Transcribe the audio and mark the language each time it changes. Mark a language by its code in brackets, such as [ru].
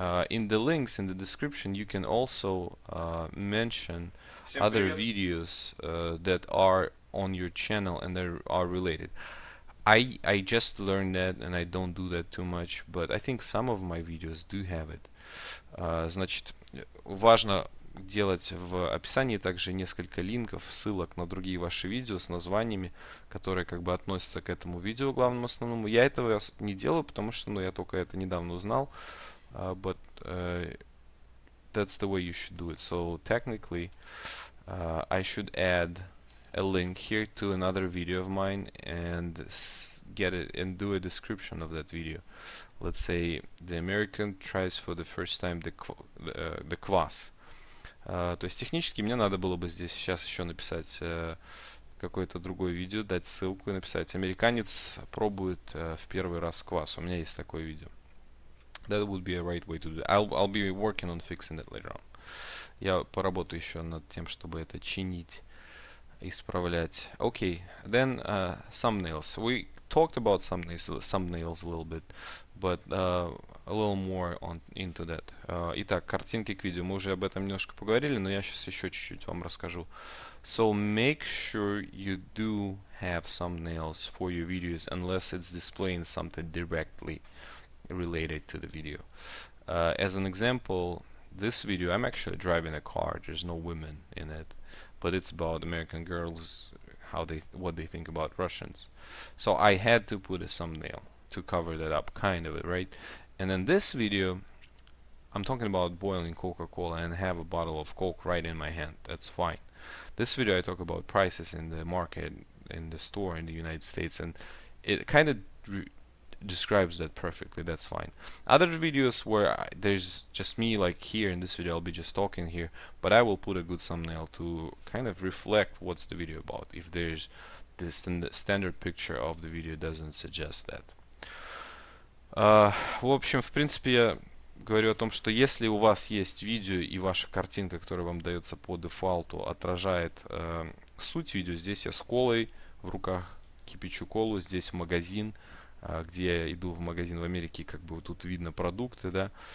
[en] In the links in the description, you can also mention other videos that are on your channel and they are related. I just learned that and I don't do that too much, but I think some of my videos do have it. [ru] Значит, важно делать в описании также несколько линков, ссылок на другие ваши видео с названиями, которые как бы относятся к этому видео главному основному. Я этого не делаю, потому что, ну, я только это недавно узнал. [en] But that's the way you should do it. So technically, I should add a link here to another video of mine and get it and do a description of that video. Let's say the American tries for the first time the квас. [ru] То есть технически мне надо было бы здесь сейчас еще написать какое-то другое видео, дать ссылку и написать американец пробует в первый раз квас. У меня есть такое видео. [en] That would be a right way to do it. I'll be working on fixing that later on. [ru] Я поработаю еще над тем, чтобы это чинить, исправлять. [en] Okay, then thumbnails. We talked about thumbnails a little bit, but a little more on into that. [ru] Итак, картинки к видео. Мы уже об этом немножко поговорили, но я сейчас еще чуть-чуть вам расскажу. [en] So make sure you do have thumbnails for your videos, unless it's displaying something directly related to the video. As an example, this video, I'm actually driving a car. There's no women in it, but it's about American girls, how they what they think about Russians. So I had to put a thumbnail to cover that up, kind of, right? And then this video, I'm talking about boiling Coca-Cola and have a bottle of Coke right in my hand. That's fine. This video, I talk about prices in the market, in the store in the United States, and it kind of describes that perfectly. That's fine. Other videos where there's just me, like here in this video, I'll be just talking here, but I will put a good thumbnail to kind of reflect what's the video about, if there's this standard picture of the video doesn't suggest that. [ru] В общем, в принципе, я говорю о том, что если у вас есть видео и ваша картинка, которая вам дается по дефолту, отражает суть видео, здесь я с колой в руках кипячу колу, здесь магазин, где я иду в магазин в Америке, как бы тут видно продукты, да.